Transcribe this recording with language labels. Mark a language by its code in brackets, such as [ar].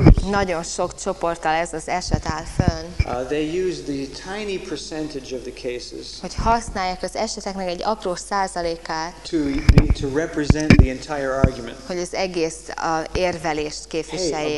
[hu] nagyon sok csoporttal ez az eset áll fönn. [en] They use the tiny percentage of the cases, [hu] hogy használják az eseteknek egy apró százalékát, [en] to represent the entire argument. [hu] Hogy az egész érvelést képviseljék.